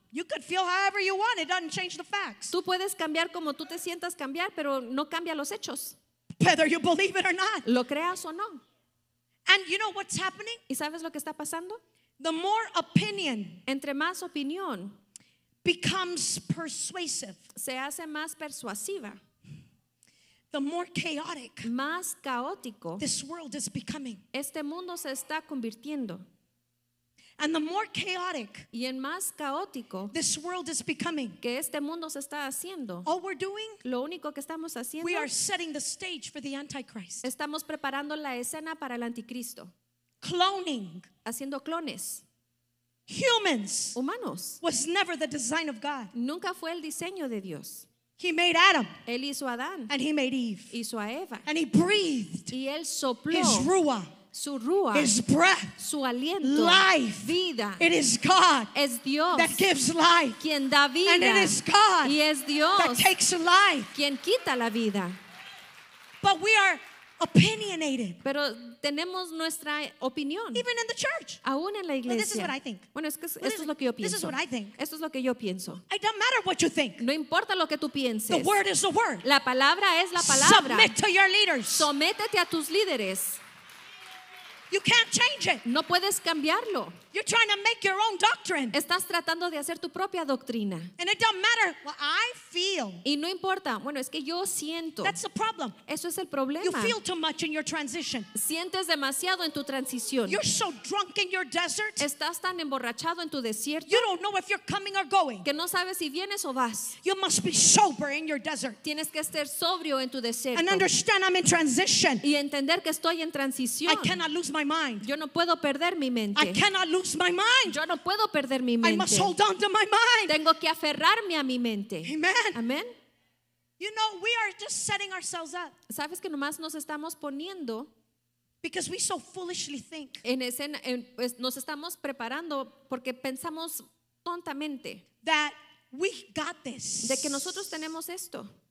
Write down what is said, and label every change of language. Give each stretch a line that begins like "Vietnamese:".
English: You could feel however you want. It doesn't change the facts.
Spanish: Tú puedes cambiar como tú te sientas cambiar, pero no cambia los hechos.
English: Whether you believe it or not.
Spanish: Lo creas o no.
English: And you know what's happening?
Spanish: ¿Y sabes lo que está pasando?
English: The more opinion,
Spanish: entre más opinión,
English: becomes persuasive.
Spanish: Se hace más persuasiva.
English: The more chaotic,
Spanish: más caótico,
English: this world is becoming.
Spanish: Este mundo se está convirtiendo.
English: And the more chaotic
Spanish: y en más caótico
English: this world is becoming,
Spanish: que este mundo se está haciendo,
English: all we're doing,
Spanish: lo único que estamos haciendo,
English: we are setting the stage for the Antichrist.
Spanish: Estamos preparando la escena para el anticristo.
English: Cloning,
Spanish: haciendo clones.
English: Humans,
Spanish: humanos,
English: was never the design of God.
Spanish: Nunca fue el diseño de Dios.
English: He made Adam.
Spanish: Él hizo a Adán.
English: And he made Eve.
Spanish: Hizo a Eva.
English: And he breathed.
Spanish: Y él sopló.
English: His ruah.
Spanish: Su ruah,
English: his breath,
Spanish: su aliento,
English: life,
Spanish: vida.
English: It is God,
Spanish: es Dios,
English: that gives life,
Spanish: quien da vida.
English: And it is God,
Spanish: y es Dios,
English: that takes life,
Spanish: quien quita la vida.
English: But we are opinionated,
Spanish: pero tenemos nuestra opinión,
English: even in the church,
Spanish: aún en la iglesia.
English: Well, this is what I think.
Spanish: Bueno, es que esto es lo que yo pienso.
English: This is what I think.
Spanish: Esto es lo que yo pienso.
English: It don't matter what you think.
Spanish: No importa lo que tú pienses.
English: The word is the word.
Spanish: La palabra es la palabra.
English: Submit to your leaders.
Spanish: Sométete a tus líderes.
English: You can't change it.
Spanish: No puedes cambiarlo.
English: You're trying to make your own doctrine.
Spanish: Estás tratando de hacer tu propia doctrina.
English: And it don't matter what I feel.
Spanish: Y no importa. Bueno, es que yo siento.
English: That's the problem.
Spanish: Eso es el problema.
English: You feel too much in your transition.
Spanish: Sientes demasiado en tu transición.
English: You're so drunk in your desert.
Spanish: Estás tan emborrachado en tu desierto.
English: You don't know if you're coming or going.
Spanish: Que no sabes si vienes o vas.
English: You must be sober in your desert.
Spanish: Tienes que estar sobrio en tu desierto.
English: And understand I'm in transition.
Spanish: Y entender que estoy en transición.
English: I cannot lose my mind.
Spanish: Yo no puedo perder mi mente.
English: I cannot lose my mind.
Spanish: Yo no puedo perder mi mente.
English: I must hold on to my mind.
Spanish: Tengo que aferrarme a mi mente.
English: Amen.
Spanish: Amen.
English: You know, we are just setting ourselves up.
Spanish: Sabes que nomás nos estamos poniendo.
English: Because we so foolishly think.
Spanish: En escena, en, pues, nos estamos preparando porque pensamos tontamente.
English: That we got this.
Spanish: De que nosotros tenemos esto.